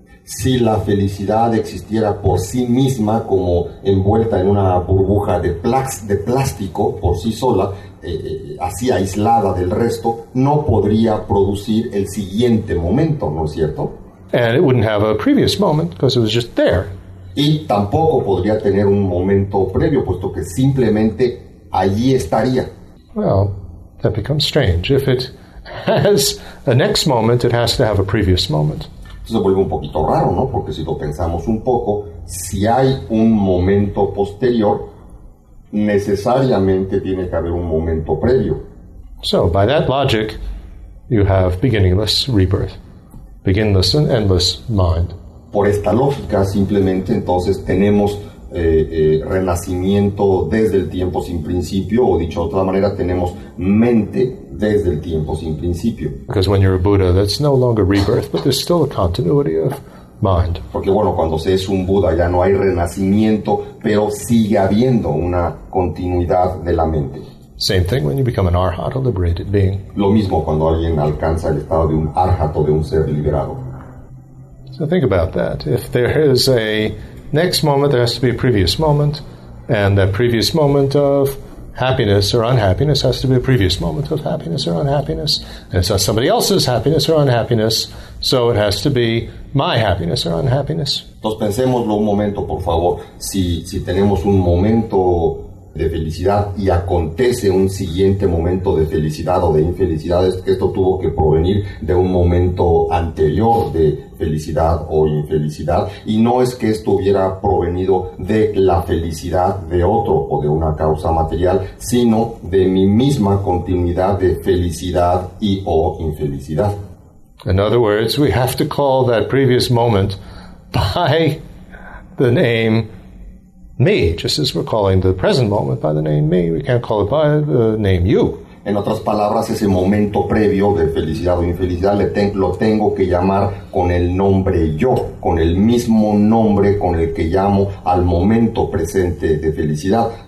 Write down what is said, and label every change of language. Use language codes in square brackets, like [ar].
[es] si la felicidad existiera por sí misma como envuelta en una burbuja de plástico por sí sola, así aislada del resto, no podría producir el siguiente momento, ¿no es cierto? [en] And it wouldn't have a previous moment because it was just there. [es] Y tampoco podría tener un momento previo, puesto que simplemente allí estaría. [en] Well, that becomes strange. If it has a next moment, it has to have a previous moment. [es] Se vuelve un poquito raro, ¿no? Porque si lo pensamos un poco, si hay un momento posterior, necesariamente tiene que haber un momento previo. [en] So, by that logic, you have beginningless rebirth. Beginless and endless mind. [es] Por esta lógica, simplemente, entonces, tenemos renacimiento desde el tiempo sin principio, o dicho de otra manera, tenemos mente desde el tiempo sin principio. [en] Because when you're a Buddha, that's no longer rebirth, but there's still a continuity of mind. [es] Porque bueno, cuando se es un Buda ya no hay renacimiento, pero sigue habiendo una continuidad de la mente. [en] Same thing when you become an arhat, a liberated being. [es] Lo mismo cuando alguien alcanza el estado de un arhat o de un ser liberado. [en] So think about that. If there is a next moment, there has to be a previous moment, and that previous moment of happiness or unhappiness has to be a previous moment of happiness or unhappiness. And it's not somebody else's happiness or unhappiness, so it has to be my happiness or unhappiness. [es] Entonces pensemoslo un momento, por favor. Si tenemos un momento de felicidad y acontece un siguiente momento de felicidad o de infelicidad, es que esto tuvo que provenir de un momento anterior de felicidad o infelicidad, y no es que esto hubiera provenido de la felicidad de otro o de una causa material, sino de mi misma continuidad de felicidad y o infelicidad. [en] In other words, we have to call that previous moment by the name me, just as we're calling the present moment by the name me. We can't call it by the name you. [es] En otras palabras, ese momento previo de felicidad o infelicidad lo tengo que llamar con el nombre yo, con el mismo nombre con el que llamo al momento presente de felicidad.